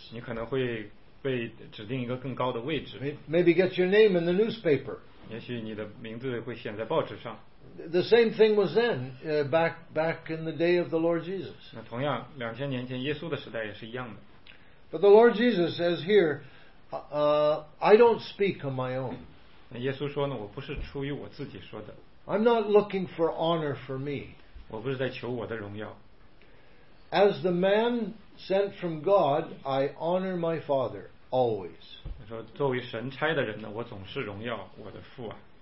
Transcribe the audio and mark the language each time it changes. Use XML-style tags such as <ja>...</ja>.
<zh>你可能会被指定一个更高的位置。</zh> <en>Maybe get your name in the newspaper.</en> <zh>也许你的名字会写在报纸上。</zh> <en>The same thing was then, back in the day of the Lord Jesus.</en> <zh>那同样，两千年前耶稣的时代也是一样的。</zh> <en>But the Lord Jesus says here, I don't speak on my own.</en> <zh>那耶稣说呢，我不是出于我自己说的。</zh> <en>I'm not looking for honor for me.</en> <zh>我不是在求我的荣耀。</zh> <en>As the man sent from God, I honor my Father always.</en> <zh>说作为神差的人呢，我总是荣耀我的父啊。</zh>